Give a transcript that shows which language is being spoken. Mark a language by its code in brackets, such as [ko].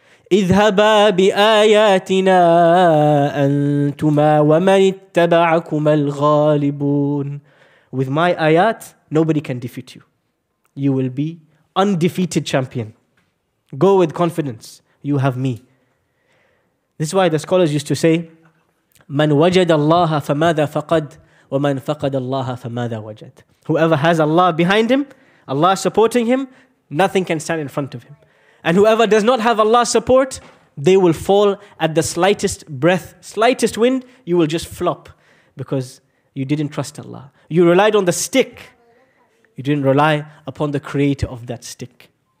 [ar] اِذْهَبَا بِآيَاتِنَا أَنْتُمَا وَمَنِ اتَّبَعَكُمَ الْغَالِبُونَ. [en] With my ayat, nobody can defeat you. You will be undefeated champion. Go with confidence. You have me. This is why the scholars used to say, [ar] مَنْ وَجَدَ اللَّهَ فَمَاذَا فَقَدْ وَمَنْ فَقَدَ اللَّهَ فَمَاذَا وَجَدْ. [en] Whoever has Allah behind him, Allah supporting him, nothing can stand in front of him. And whoever does not have Allah's support, they will fall at the slightest breath, slightest wind, you will just flop because you didn't trust Allah. You relied on the stick. You didn't rely upon the creator of that stick.